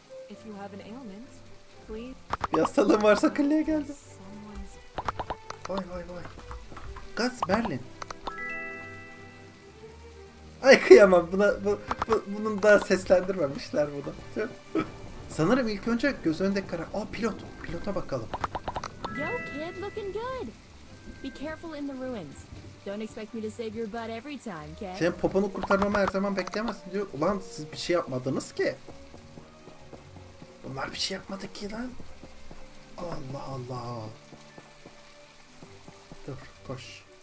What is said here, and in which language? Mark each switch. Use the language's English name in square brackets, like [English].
[English] If you have an ailment, please. [Turkish] Bir hastalığın varsa kliğe geldi. Vay vay vay. Kız Merlin. Ay kıyamam. Bunun da seslendirmemişler bunu. Sanırım ilk önce göz önünde karar. Aa, pilot. Pilota bakalım. [English] Yo kid, looking good. Be careful in the ruins. Don't expect me to save your butt every time, okay? [Turkish] Sen poponu kurtarmamı her zaman beklemezsin diyor. Ulan siz bir şey yapmadınız ki. Bunlar bir şey yapmadı ki lan. Allah Allah. Dur, koş.